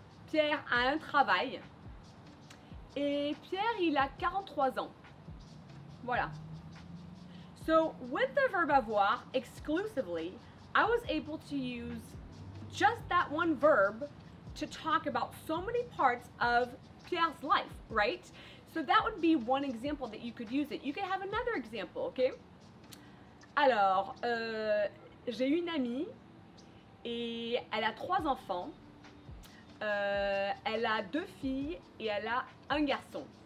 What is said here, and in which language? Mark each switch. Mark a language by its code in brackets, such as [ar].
[fr] Pierre a un travail et Pierre, il a 43 ans. Voilà. [en] So with the verb [fr] avoir [en] exclusively, I was able to use just that one verb to talk about so many parts of Pierre's life, right? So that would be one example that you could use it. You could have another example, okay? [fr] Alors, j'ai une amie et elle a trois enfants. Elle a deux filles et elle a un garçon.